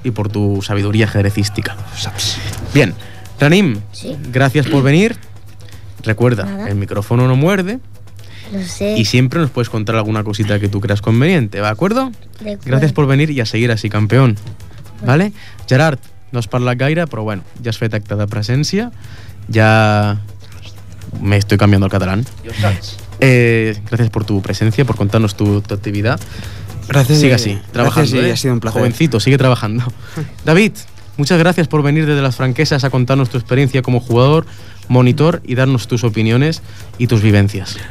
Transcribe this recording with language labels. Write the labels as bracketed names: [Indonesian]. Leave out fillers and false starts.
[Spanish] Y por tu sabiduría ajedrecística. Bien, Ranim, ¿sí? Gracias por venir. Recuerda, ¿nada? El micrófono no muerde. Lo sé. Y siempre nos puedes contar alguna cosita que tú creas conveniente, ¿va? ¿De acuerdo? Gracias por venir y a seguir así, campeón. ¿Vale? [Catalan] Gerard, no es parla gaire, però bueno, ja has fet acte de presència, ja [Spanish] me estoy cambiando al catalán. Gracias por tu presencia, por contarnos tu actividad. Gracias. Sigue así, trabajando. Gracias, ha sido un placer. Jovencito, sigue trabajando. David, muchas gracias por venir desde las franquesas a contarnos tu experiencia como jugador, monitor y darnos tus opiniones y tus vivencias.